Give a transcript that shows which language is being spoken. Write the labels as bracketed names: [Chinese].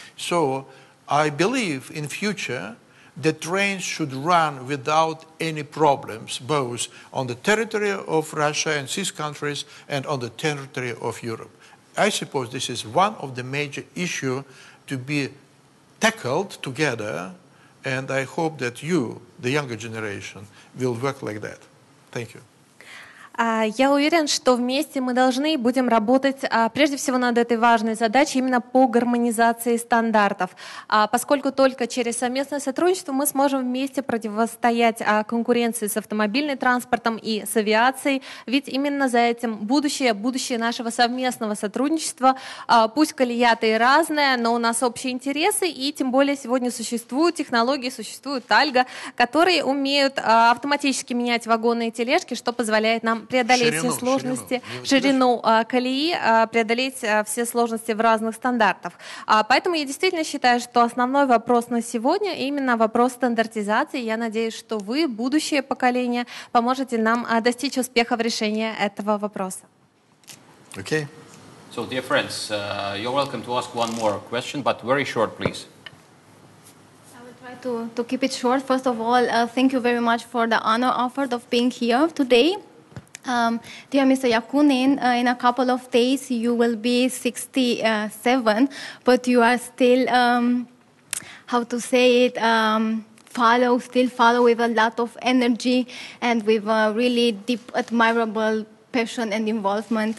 [English] So I believe in future the trains should run without any problems, both on the territory of Russia and six countries and on the territory of Europe. I suppose this is one of the major issues to be tackled together, and I hope that you, the younger generation, will work like that. Thank you. [Russian] Я уверен, что вместе мы должны и будем работать прежде всего над этой важной задачей именно по гармонизации стандартов, поскольку только через совместное сотрудничество мы сможем вместе противостоять конкуренции с автомобильным транспортом и с авиацией, ведь именно за этим будущее нашего совместного сотрудничества. Пусть колея-то и разная, но у нас общие интересы, и тем более сегодня существуют технологии, существуют Тальго, которые умеют автоматически менять вагоны и тележки, что позволяет нам преодолеть ширину, все сложности, ширину колеи, преодолеть все сложности в разных стандартах. Поэтому я действительно считаю, что основной вопрос на сегодня именно вопрос стандартизации. Я надеюсь, что вы, будущее поколение, поможете нам достичь успеха в решении этого вопроса. [English] Okay. So, dear friends, you're welcome to ask one more question, but very short, please. I will try to keep it short. First of all, thank you very much for the honor offered of being here today. Dear Mr. Yakunin, in a couple of days you will be 67, but you are still, still follow with a lot of energy and with a really deep, admirable passion and involvement.